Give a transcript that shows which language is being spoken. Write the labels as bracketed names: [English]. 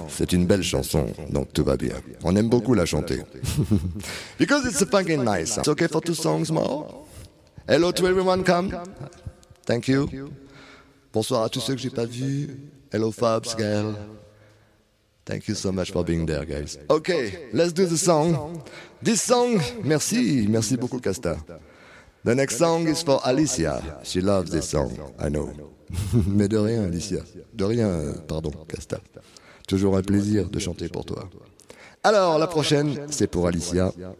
[French] C'est une belle chanson, donc tout va bien. On aime beaucoup la chanter. [English] Because it's a fucking nice song. It's okay for two songs more. Hello to everyone, come. Thank you. [French] Bonsoir à tous ceux que j'ai pas vus. [English] Hello Fabs, Gael. Thank you so much for being there, guys. Okay, let's do the song. This song, [French] merci, merci beaucoup, [English] Casta. The next song is for Alicia. She loves this song, I know. [French] Mais de rien, Alicia. De rien, pardon, Casta. Toujours un plaisir de chanter pour toi. Alors, la prochaine, c'est pour Alicia.